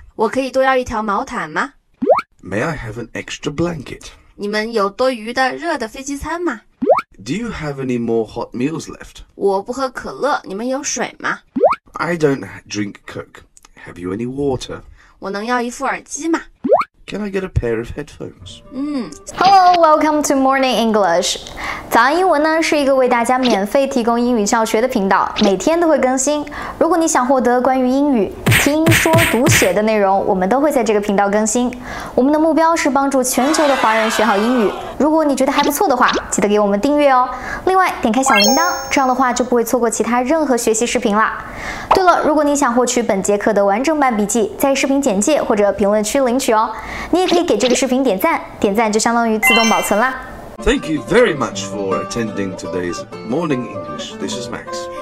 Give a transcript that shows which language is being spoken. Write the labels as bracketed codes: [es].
[zh] 我可以多要一条毛毯吗 [en] May I have an extra blanket? [zh] 你们有多余的热的飞机餐吗 [en] Do you have any more hot meals left? [zh] 我不喝可乐你们有水吗 [en] I don't drink Coke. Have you any water? [zh] 我能要一副耳机吗 [en] Can I get a pair of headphones? Hello, welcome to Morning English. [zh] 早安英文呢是一个为大家免费提供英语教学的频道，每天都会更新。如果你想获得关于英语听说读写的内容，我们都会在这个频道更新。我们的目标是帮助全球的华人学好英语。如果你觉得还不错的话，记得给我们订阅哦。另外，点开小铃铛，这样的话就不会错过其他任何学习视频啦。对了，如果你想获取本节课的完整版笔记，在视频简介或者评论区领取哦。你也可以给这个视频点赞，点赞就相当于自动保存啦。 [en] Thank you very much for attending today's Morning English. This is Max.